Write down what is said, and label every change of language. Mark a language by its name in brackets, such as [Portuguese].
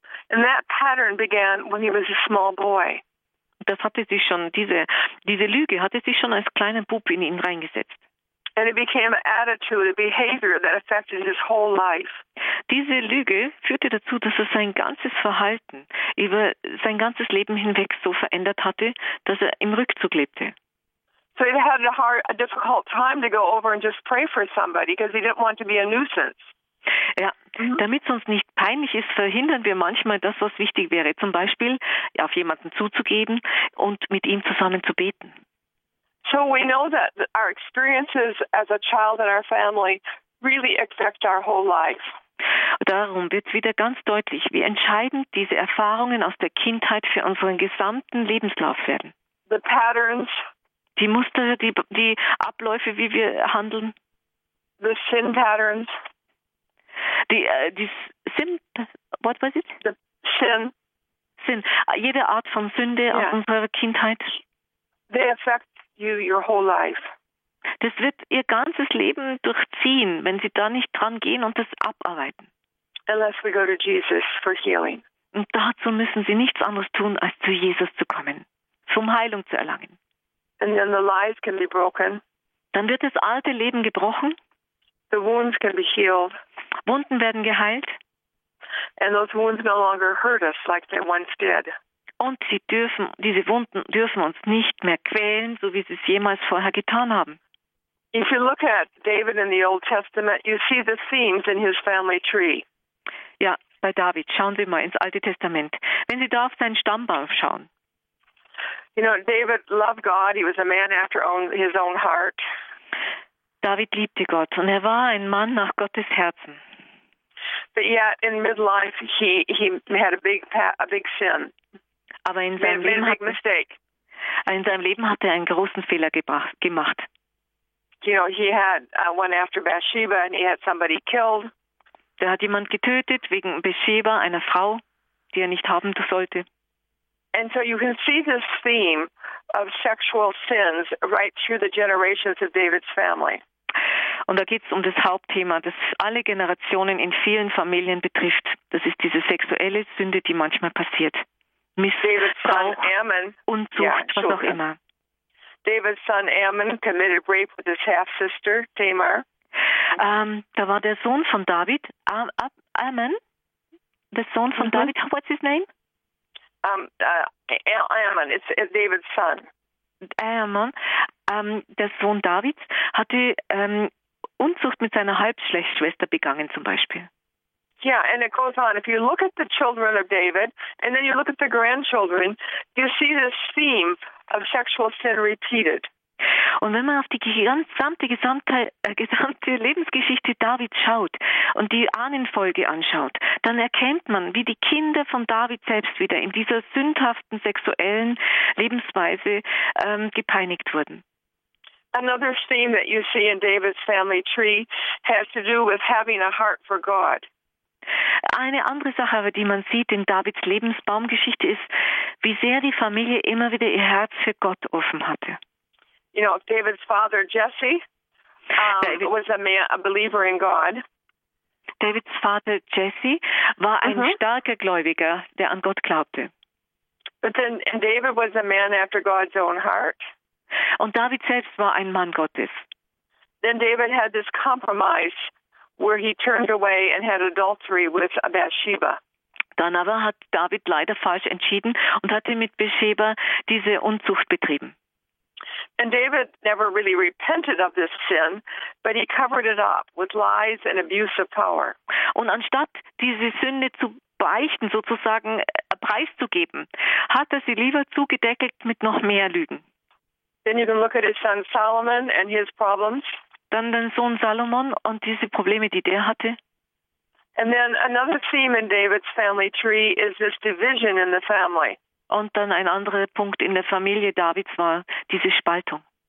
[English] And that pattern began when he was a small boy. [German] Das hatte sich schon, diese Lüge hatte sich schon als kleiner Bub in ihn reingesetzt. [English] And it became an attitude, a behavior that affected his whole life. [German] Diese Lüge führte dazu, dass er sein ganzes Verhalten über sein ganzes Leben hinweg so verändert hatte, dass er im Rückzug lebte. [English] So he had a difficult time to go over and just pray for somebody because he didn't want to be a nuisance. [German] Ja, damit es uns nicht peinlich ist, verhindern wir manchmal das, was wichtig wäre, zum Beispiel auf jemanden zuzugeben und mit ihm zusammen zu beten. [English] So we know that our experiences as a child and our family really affect our whole life. [German] Darum wird es wieder ganz deutlich, wie entscheidend diese Erfahrungen aus der Kindheit für unseren gesamten Lebenslauf werden. [English] The patterns, [German] die Muster, die Abläufe, wie wir handeln. [English] The sin patterns. Die Sin, what was it? The sin. Sin. [German] Jede Art von Sünde aus unserer Kindheit. [English] They affect you your whole life. [German] Das wird ihr ganzes Leben durchziehen, wenn sie da nicht dran gehen und das abarbeiten. [English] Unless we go to Jesus for healing. [German] Und dazu müssen sie nichts anderes tun, als zu Jesus zu kommen, um Heilung zu erlangen. [English] And then the lies can be broken. [German] Dann wird das alte Leben gebrochen. [English] The wounds can be healed. [German] Wunden werden geheilt. [English] And those wounds no longer hurt us like they once did. [German] Und diese Wunden dürfen uns nicht mehr quälen, so wie sie es jemals vorher getan haben. [English] If you look at David in the Old Testament, you see the themes in his family tree. [German] Ja, bei David, schauen Sie mal ins Alte Testament. Wenn Sie da auf seinen Stammbaum schauen. [English] You know, David loved God. He was a man after his own heart. [German] David liebte Gott und er war ein Mann nach Gottes Herzen. [English] But yet in midlife he had a big sin. [German] Aber in seinem Leben [English] made a big mistake. [German] In seinem Leben hat er einen großen Fehler gemacht. [English] You know, he had one after Bathsheba and he had somebody killed. [German] Der hat jemand getötet wegen Bathsheba, einer Frau, die er nicht haben sollte. [English] And so you can see this theme of sexual sins right through the generations of David's family. [German] Und da geht's um das Hauptthema, das alle Generationen in vielen Familien betrifft. Das ist diese sexuelle Sünde, die manchmal passiert. Missbrauch, Unzucht, was auch immer. [English] David's son Ammon committed rape with his half sister Tamar. [German] Da war der Sohn von David, Ammon, der Sohn von David. [English] What's his name? Ammon, it's David's son. [German] Ammon, der Sohn Davids, hatte Unzucht mit seiner Halbschwester begangen, zum Beispiel. [English] Yeah, and it goes on. If you look at the children of David, and then you look at the grandchildren, you see this theme of sexual sin repeated. [German] Und wenn man auf die gesamte Lebensgeschichte Davids schaut und die Ahnenfolge anschaut, dann erkennt man, wie die Kinder von David selbst wieder in dieser sündhaften sexuellen Lebensweise gepeinigt wurden. [English] Another theme that you see in David's family tree has to do with having a heart for God. [German] Eine andere Sache, die man sieht in Davids Lebensbaumgeschichte, ist, wie sehr die Familie immer wieder ihr Herz für Gott offen hatte. [English] You know, David's father Jesse was a believer in God. [German] Davids Vater Jesse war ein starker Gläubiger, der an Gott glaubte. [English] But then, and David was a man after God's own heart. [German] Und David selbst war ein Mann Gottes. [English] Then David had this compromise where he turned away and had adultery with Bathsheba. [German] Dann aber hat David leider falsch entschieden und hatte mit Bathsheba diese Unzucht betrieben. [English] And David never really repented of this sin, but he covered it up with lies and abuse of power. [German] Und anstatt diese Sünde zu beichten, sozusagen preiszugeben, hat er sie lieber zugedeckt mit noch mehr Lügen. [English] Then you can look at his son Solomon and his problems. [German] Dann den Sohn Salomon und diese Probleme, die der hatte. [English] And then another theme in David's family tree is this division in the family. [German] Und dann ein anderer Punkt in der Familie Davids war diese Spaltung.